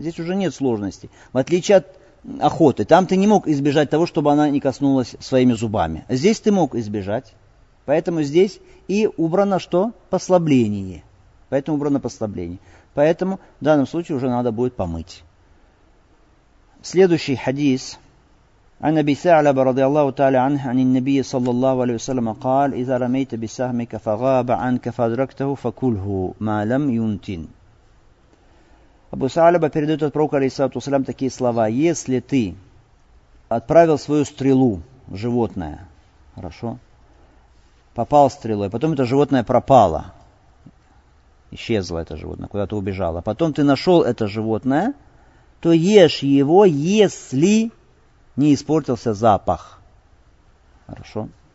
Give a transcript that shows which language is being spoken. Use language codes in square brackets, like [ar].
[ru] Здесь уже нет сложностей. В отличие от охоты. Там ты не мог избежать того, чтобы она не коснулась своими зубами. Здесь ты мог избежать. Поэтому здесь и убрано что? Послабление. Поэтому убрано послабление. Поэтому в данном случае уже надо будет помыть. Следующий хадис. [ar] عن أبي ثعلب رضي الله تعالى عنه عن النبي صلى الله عليه وسلم قال إذا رميت بسهمك فغاب عنك فأدركته فكله ما لم ينتن. [ru] أبو ثعلب передает от пророка [ar] عليه الصلاة والسلام [ru] такие слова: если ты отправил свою стрелу в животное, хорошо, попал стрелой, потом это животное пропало, исчезло это животное, куда-то убежало, потом ты нашел это животное, то ешь его, если не испортился запах. Хорошо.